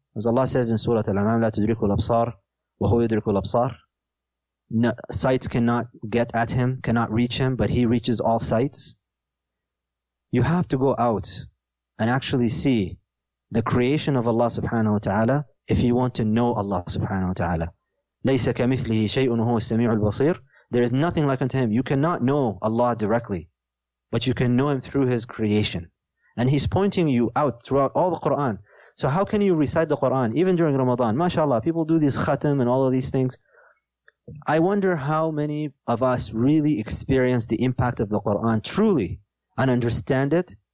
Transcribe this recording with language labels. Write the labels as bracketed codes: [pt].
[en] As Allah says in Surah Al-An'am, [ar] لا تدرك الأبصار وهو يدرك الأبصار. [en] No, sights cannot get at him, cannot reach him, but he reaches all sights. You have to go out and actually see the creation of Allah subhanahu wa ta'ala if you want to know Allah subhanahu wa ta'ala. [ar] ليس كمثله شيء وهو السميع البصير. [en] There is nothing like unto him. You cannot know Allah directly, but you can know him through his creation. And he's pointing you out throughout all the Quran. So how can you recite the Quran even during Ramadan? MashaAllah, people do these khatam and all of these things. I wonder how many of us really experience the impact of the Quran truly and understand it.